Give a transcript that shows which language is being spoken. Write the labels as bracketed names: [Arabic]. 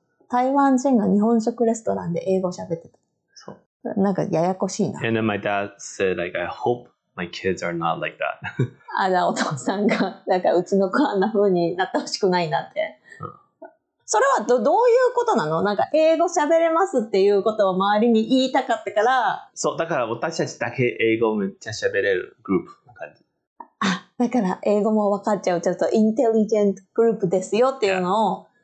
[Japanese] 台湾人が日本食レストランで英語喋ってた。そう。なんかややこしいな。 [English] And then my dad said, like, I hope my kids are not like that. [Japanese] あら、お父さんが、なんかうちの子あんな風になってほしくないなって。それはどういうことなの？なんか英語喋れますっていうことを周りに言いたかったから。そう、だから私たちだけ英語めっちゃ喋れるグループな感じ。あ、だから英語も分かっちゃう。ちょっとインテリジェントグループですよっていうのを、 [English] yeah.